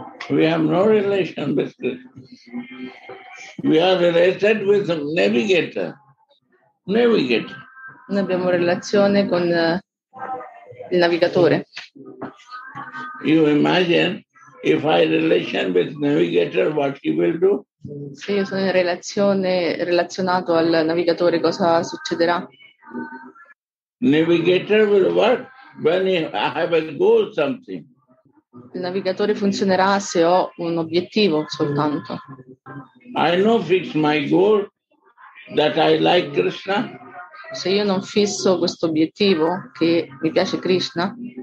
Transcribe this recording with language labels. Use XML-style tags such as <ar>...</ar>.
<en>We have no relation with Krishna. We are related with the navigator. Navigator.</en> <it>Non abbiamo relazione con il navigatore.</it> <en>You imagine if I relation with navigator, what he will do?</en> <it>Se io sono in relazione, relazionato al navigatore, cosa succederà?</it> <en>Navigator will work when I have a goal, something.</en> <it>Il navigatore funzionerà se ho un obiettivo soltanto.</it> <en>I know fix my goal that I like Krishna.</en> <it>Se io non fisso questo obiettivo che mi piace Krishna,</it>